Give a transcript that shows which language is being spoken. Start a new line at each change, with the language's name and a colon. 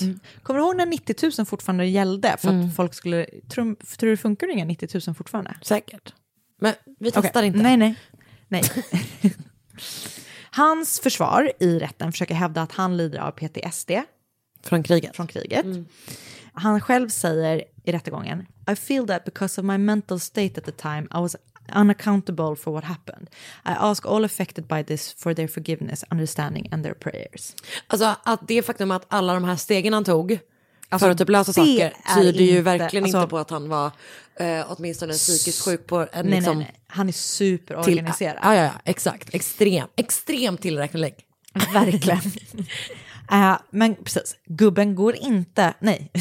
Swedish: Mm. Kommer du ihåg när 90 000 fortfarande gällde? För att folk skulle... Tror du det funkar inga 90 000 fortfarande? Säkert. Men vi testar inte. Nej. Hans försvar i rätten försöker hävda att han lider av PTSD. Från kriget. Mm. Han själv säger i rättegången,
English: I feel that because of my mental state at the time I was unaccountable for what happened. I ask all affected by this for their forgiveness, understanding and their prayers.
Swedish: Alltså att det faktum att alla de här stegen han tog alltså, för att typ lösa saker tyder inte, ju verkligen alltså, inte på att han var åtminstone psykiskt sjuk på en nej, liksom... Nej. Han är superorganiserad. Ja, exakt. Extrem tillräcklig. Verkligen. men precis, gubben går inte. Nej.